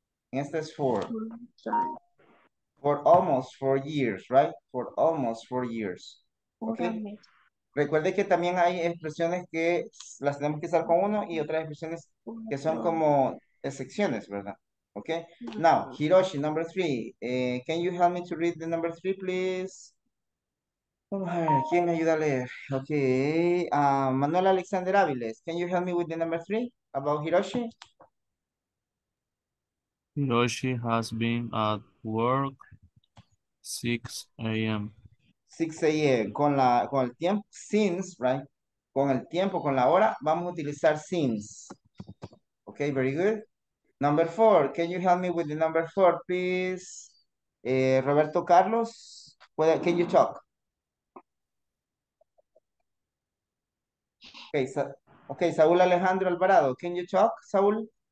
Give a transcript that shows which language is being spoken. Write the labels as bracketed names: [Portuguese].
[Spanish] Este es [English] for. For almost 4 years, right? For almost 4 years. Okay. [Spanish] Recuerde que también hay expresiones que las tenemos que usar con uno y otras expresiones que son como excepciones, ¿verdad? [English] Okay. Now, Hiroshi, number three. Can you help me to read the number three, please? [Spanish] ¿Quién me ayuda a leer? [English] Okay. Manuel Alexander Áviles, can you help me with the number three about Hiroshi? Hiroshi has been at work 6 a.m. 6 a.m. [Spanish] Con el tiempo, [English] since, right? [Spanish] Con el tiempo, con la hora, vamos a utilizar since. [English] Okay, very good. Number four, can you help me with the number four, please? Roberto Carlos, can you talk? Okay, Saúl Alejandro Alvarado, can you talk, Saúl?